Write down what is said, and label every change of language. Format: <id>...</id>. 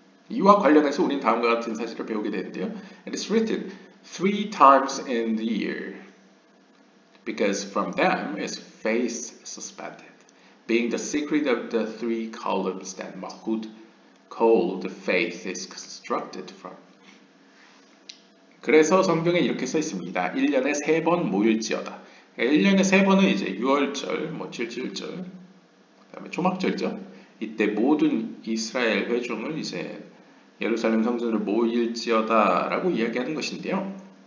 <ko>이와 관련해서 우리는 다음과 같은 사실을 배우게 되는데요.</ko> <en>It is written three times in the year. Because from them is faith suspended, being the secret of the three columns that Malchut called faith is constructed from.</en> <ko>그래서 성경에 이렇게 써 있습니다. 1년에 세 번 모일지어다. 1년에 세 번은 이제 유월절, 뭐 칠칠절, 그다음에 초막절죠. 이때 모든 이스라엘 회중을 이제 예루살렘 성전을 모일지어다라고 이야기하는 것인데요.</ko>